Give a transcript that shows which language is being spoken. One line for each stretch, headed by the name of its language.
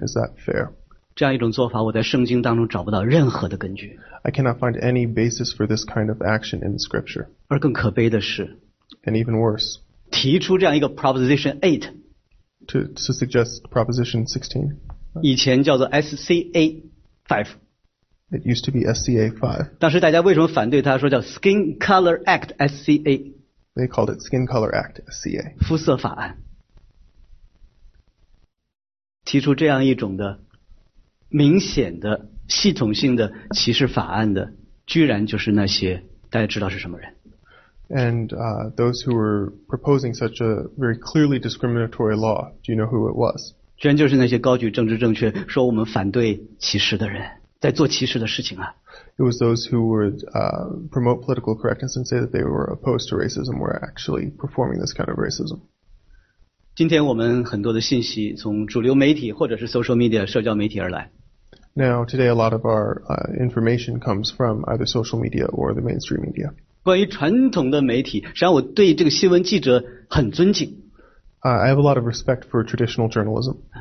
English: Is that fair?
Chinese: 这样一种做法我在圣经当中找不到任何的根据。
English: I cannot find any basis for this kind of action in the scripture.
Chinese: 而更可悲的是
English: And even worse,
Chinese: 提出这样一个 Proposition 8
English: to suggest Proposition 16
Chinese: 以前叫做 SCA 5
English: It used to be SCA 5
Chinese: 当时大家为什么反对他说叫 Skin Color Act SCA
English: They called it Skin Color Act SCA
Chinese: 肤色法案提出这样一种的明显的系统性的歧视法案的居然就是那些大家知道是什么人
English: And those who were proposing such a very clearly discriminatory law Do you know who it was?
Chinese: 居然就是那些高举政治正确说我们反对歧视的人在做歧视的事情啊
English: It was those who would promote political correctness and say that they were opposed to racism were actually performing this kind of racism
Chinese: 今天我们很多的信息从主流媒体或者是 social media 社交媒体而来
English: Now today a lot of our information comes from either social media or the mainstream media
Chinese: 关于传统的媒体实际上我对这个新闻记者很尊敬
English: I have a lot of respect for traditional journalism.